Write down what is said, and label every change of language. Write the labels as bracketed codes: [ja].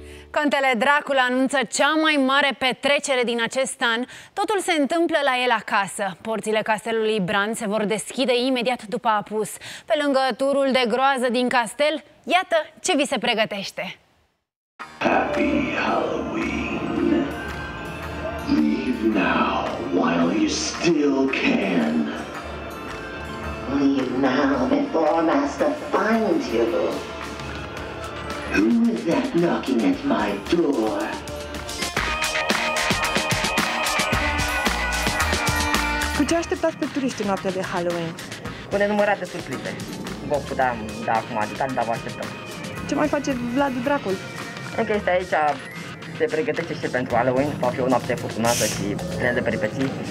[ro] Contele Dracul anunță cea mai mare petrecere din acest an. Totul se întâmplă la el acasă. Porțile castelului Bran se vor deschide imediat după apus. Pe lângă turul de groază din castel, iată ce vi se pregătește. [en] Happy Halloween. Leave now while you still can. Leave now before Master finds you. Who is that knocking at my door? [ro] Cu ce așteptați pe turiști noaptea de Halloween? Cu nenumărate surprize. Bocul, da, acum adică, dar vă așteptăm. Ce mai face Vlad Dracul? Încă este aici, se pregătește și pentru Halloween. Va fi o noapte furtunată și plină de peripeții.